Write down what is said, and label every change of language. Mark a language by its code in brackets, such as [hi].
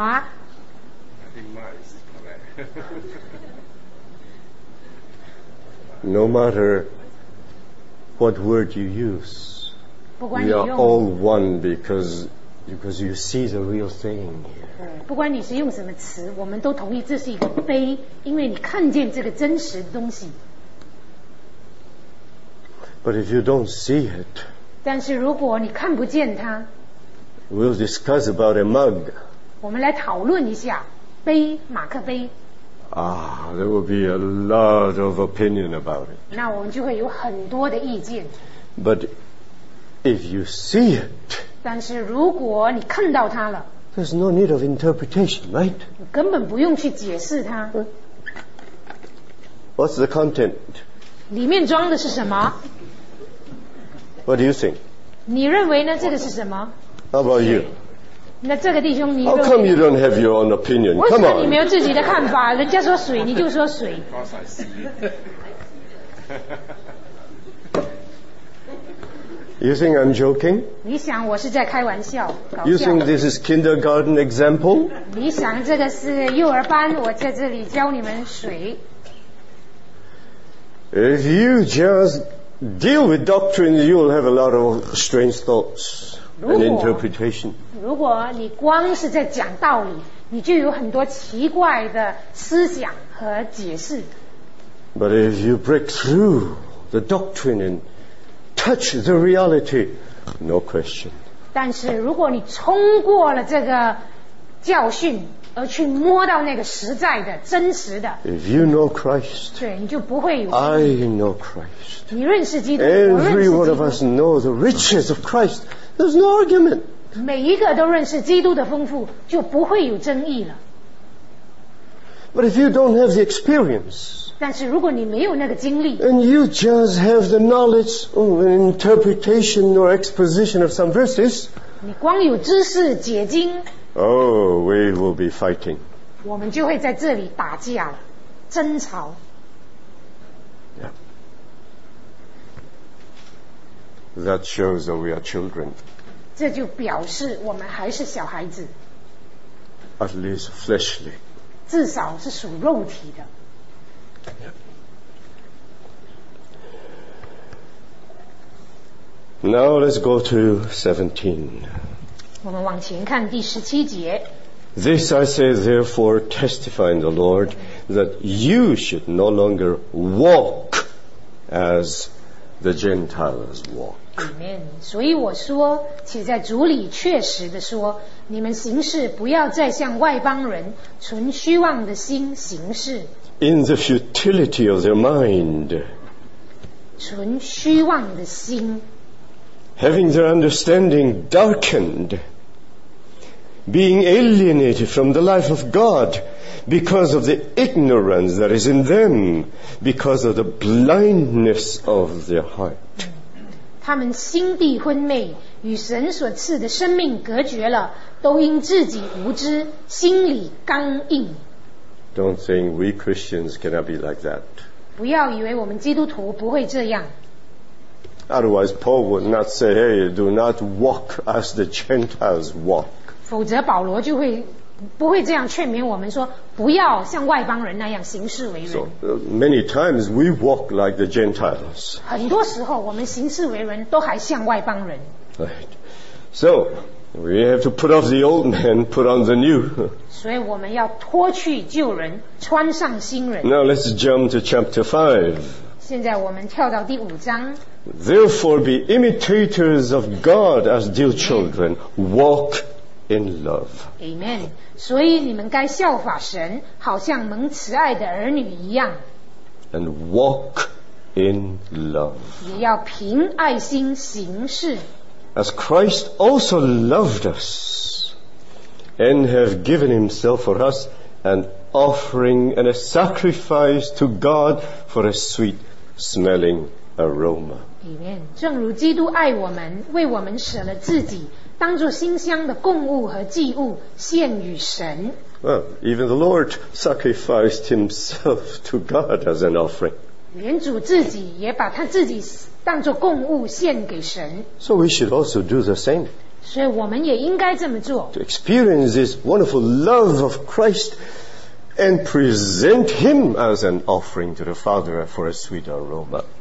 [en] I think mine is No matter what word you use, we are all one because you see the real thing here. [zh] 不管你是用什么词，我们都同意这是一个杯，因为你看见这个真实的东西。 [en] But if you don't see it, [zh] 但是如果你看不见它， [en] we'll discuss about a mug. [zh] 我们来讨论一下杯，马克杯。 [en] There will be a lot of opinion about it. [zh] 那我们就会有很多的意见。 [en] But if you see it, [zh] 但是如果你看到它了。 [en] There's no need of interpretation, right? [zh] 根本不用去解释它。 [en] What's the content? [zh] 里面装的是什么？ [en] What do you think? [zh] 你认为呢？这个是什么？ [en] How about you? [zh] 那这个弟兄，你认为？ [en] How come you don't have your own opinion? Come on. [zh] 为什么你没有自己的看法？人家说水，你就说水。 [en] Because I see. You think I'm joking? [zh] 你想我是在开玩笑？搞笑。 [en] You think this is kindergarten example? [zh] 你想这个是幼儿班？我在这里教你们水。 [en] If you just deal with doctrines, you will have a lot of strange thoughts and interpretation. [zh] 如果你光是在讲道理，你就有很多奇怪的思想和解释。 [en] But if you break through the doctrine and touch the reality, no question. [zh] 但是如果你冲过了这个教训，而去摸到那个实在的、真实的。 [en] If you know Christ, [zh] 对，你就不会有。 [en] I know Christ. [zh] 你认识基督。 [en] Every one of us knows the riches of Christ. There's no argument. [zh] 每一个都认识基督的丰富，就不会有争议了。 [en] But if you don't have the experience. [zh] 但是如果你没有那个经历， [en] and you just have the knowledge of an interpretation or exposition of some verses, [zh] 你光有知识解经， [en] we will be fighting. [zh] 我们就会在这里打架了，争吵。 [en] Yeah. That shows that we are children. [zh] 这就表示我们还是小孩子。 [en] At least fleshly. [zh] 至少是属肉体的。 [en] Now let's go to 17. [zh] 我们往前看第十七节。 [en] This I say therefore, testifying the Lord, that you should no longer walk as the Gentiles walk. Amen. [zh] 所以我说，且在主里确实地说，你们行事不要再像外邦人，存虚妄的心行事。 [en] In the futility of their mind. [zh] 存虚妄的心。 [en] Having their understanding darkened, being alienated from the life of God because of the ignorance that is in them, because of the blindness of their heart. [zh] 他们心地昏昧，与神所赐的生命隔绝了，都因自己无知，心里刚硬。 [en] Don't think we Christians cannot be like that. [zh] 不要以为我们基督徒不会这样。 [en] Otherwise, Paul would not say, "Hey, do not walk as the Gentiles walk." [zh] 否则保罗就会不会这样劝勉我们说，不要像外邦人那样行事为人。 [en] So, many times we walk like the Gentiles. [zh] 很多时候我们行事为人都还像外邦人。 [en] Right. So, we have to put off the old man, put on the new. [zh] 所以我们要脱去旧人，穿上新人。 [en] Now let's jump to chapter 5. [zh] 现在我们跳到第五章。 [en] Therefore be imitators of God as dear children. Walk in love. Amen. [zh] 所以你们该效法神，好像蒙慈爱的儿女一样。 [en] And walk in love. [zh] 也要凭爱心行事。 [en] As Christ also loved us, and have given himself for us, an offering and a sacrifice to God for a sweet smelling aroma. Amen. [zh] 正如基督爱我们，为我们舍了自己，当作馨香的供物和祭物献与神。 [en] Well, even the Lord sacrificed himself to God as an offering. [zh] 连主自己也把他自己当作供物献给神。 [en] So we should also do the same. [zh] 所以我们也应该这么做。 [en] To experience this wonderful love of Christ and present him as an offering to the Father for a sweet aroma.